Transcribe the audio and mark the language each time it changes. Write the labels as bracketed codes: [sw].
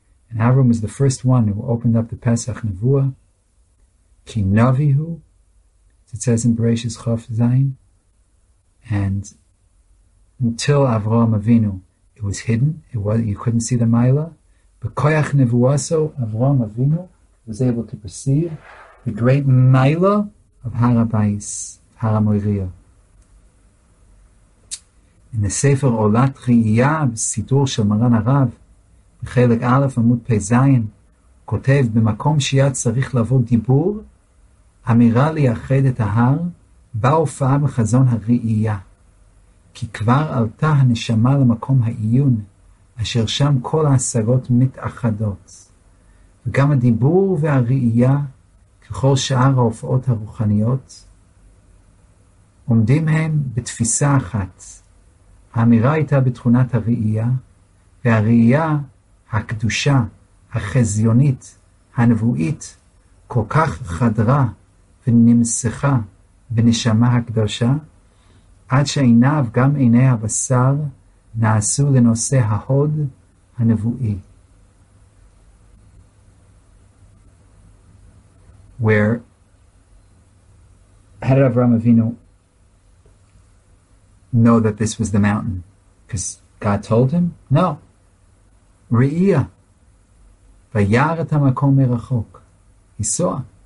[en] And Avram was the first one who opened up the Pesach Nevuah. Ki Navihu, as it says in Bereshis Chof Zayin, and until Avraham Avinu, it was hidden, you couldn't see the Maila, but Koyach Nevuaso, Avraham Avinu, was able to perceive the great Maila of Har HaBayis, Har HaMoriah. [he] In the Sefer Olat Riyav, Sidur Shel Maran HaRav, Bechelek Aleph Amud Pei Zayin, Kotev, B'makom Shiyat Tzarich Lavod Dibur, אמירה לייחד את ההר בה הופעה בחזון הראייה כי כבר עלתה הנשמה למקום העיון אשר שם כל ההשגות מתאחדות וגם הדיבור והראייה ככל שאר ההופעות הרוחניות עומדים הם בתפיסה אחת האמירה הייתה בתכונת הראייה והראייה הקדושה החזיונית הנבואית כל כך חדרה ונמסכה בנשמה הקדושה, עד שעיניו גם עיני הבשר נעשו לנושא ההוד הנבואי. [en] Where had Avraham Avinu know that this was the mountain? Because God told him? No. Re'iya. [he] וירא את המקום מרחוק. [en] He saw.